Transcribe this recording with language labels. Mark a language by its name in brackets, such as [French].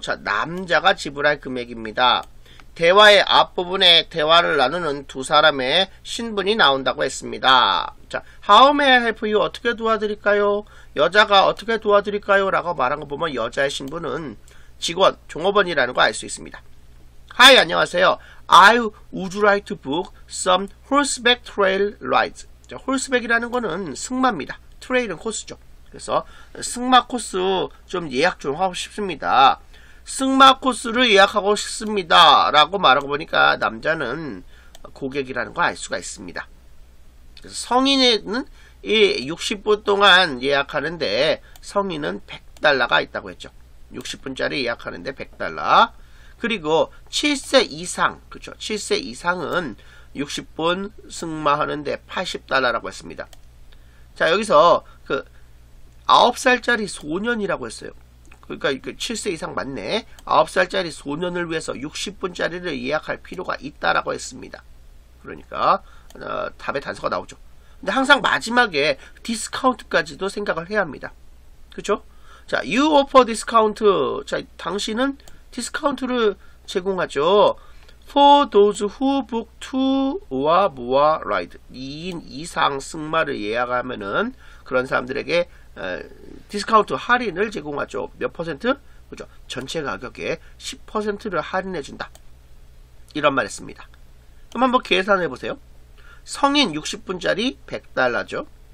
[Korean] 자, 남자가 지불할 금액입니다. 대화의 앞부분에 대화를 나누는 두 사람의 신분이 나온다고 했습니다. [English] 자, How may I help you? [Korean] 어떻게 도와드릴까요? 여자가 어떻게 도와드릴까요? 라고 말한 거 보면 여자의 신분은 직원, 종업원이라는 거 알 수 있습니다. Hi, 안녕하세요. [English] I would like to book some horseback trail rides. [Korean] 자, horseback이라는 거는 승마입니다. 트레일은 코스죠. 그래서 승마 코스 좀 예약 좀 하고 싶습니다. 승마 코스를 예약하고 싶습니다 라고 말하고 보니까 남자는 고객이라는 거 알 수가 있습니다. 그래서 성인은 이 60분 동안 예약하는데 성인은 $100가 있다고 했죠. 60분짜리 예약하는데 $100. 그리고 7세 이상, 그쵸? 7세 이상은 60분 승마하는데 $80라고 했습니다. 자, 여기서 그 9살짜리 소년이라고 했어요. 그러니까 7세 이상 맞네. 9살짜리 소년을 위해서 60분짜리를 예약할 필요가 있다라고 했습니다. 그러니까 답의 단서가 나오죠. 근데 항상 마지막에 디스카운트까지도 생각을 해야 합니다. 그렇죠? 자, [English] you offer discount. [Korean] 자, 당신은 디스카운트를 제공하죠. [English] For those who book two or more ride. [Korean] 2인 이상 승마를 예약하면은 그런 사람들에게 디스카운트 할인을 제공하죠. 몇 퍼센트? 그죠. 전체 가격에 10%를 할인해준다. 이런 말 했습니다. 그럼 한번 계산해 보세요. 성인 60분짜리 $100죠.